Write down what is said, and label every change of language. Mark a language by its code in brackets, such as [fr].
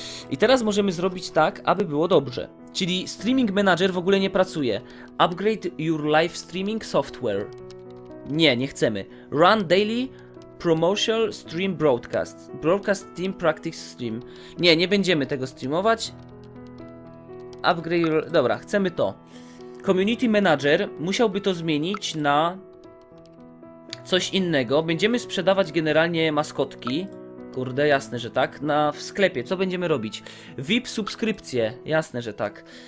[pl] I teraz możemy zrobić tak, aby było dobrze. Czyli streaming manager w ogóle nie pracuje. [en] Upgrade your live streaming software. [pl] Nie, nie chcemy. [en] Run daily promotional stream broadcast. Broadcast team practice stream. [pl] Nie, nie będziemy tego streamować. [en] Upgrade your... [pl] Dobra, chcemy to. Community manager musiałby to zmienić na coś innego. Będziemy sprzedawać generalnie maskotki. Kurde, jasne, że tak. Na w sklepie, co będziemy robić? VIP subskrypcje, jasne, że tak.